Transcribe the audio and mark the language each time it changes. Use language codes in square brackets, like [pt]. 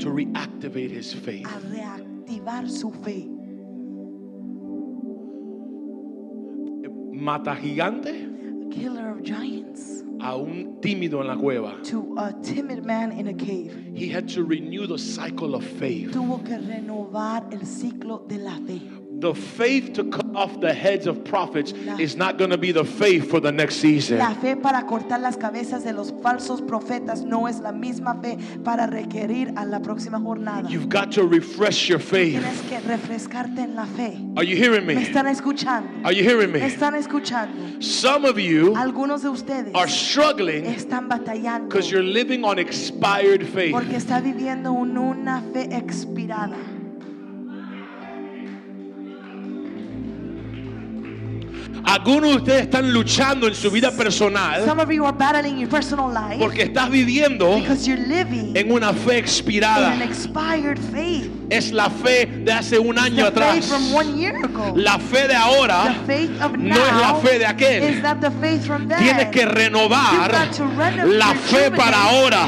[en] to reactivate his faith. [es] A reactivar su fe. Mata gigante. [en] Killer of giants. [es] A un tímido en la cueva. [en] To a timid man in a cave. He had to renew the cycle of faith. [es] Tuvo que renovar el ciclo de la fe. [en] The faith to cut off the heads of prophets is not going to be the faith for the next season. [es] La fe para cortar las cabezas de los falsos profetas no es la misma fe para requerir a la próxima jornada. [en] You've got to refresh your faith. [es] Tienes que refrescarte en la fe. [en] Are you hearing me? [es] ¿Me están escuchando? [en] Are you hearing me? [es] ¿Me están escuchando? [en] Some of you, [es] algunos de ustedes, [en] are struggling, [es] están batallando, [en] because you're living on expired faith. [es] Porque está viviendo una fe expirada. Algunos de ustedes están luchando en su vida personal, [en] some of you are battling your personal life, [es] porque estás viviendo en una fe expirada. [en] In an expired faith. [es] Es la fe de hace un año atrás. [en] Faith from 1 year ago. [es] La fe de ahora [en] the faith of now [es] no es la fe de aquel. [en] Is not the faith from then. [es] Tienes que renovar la fe para ahora.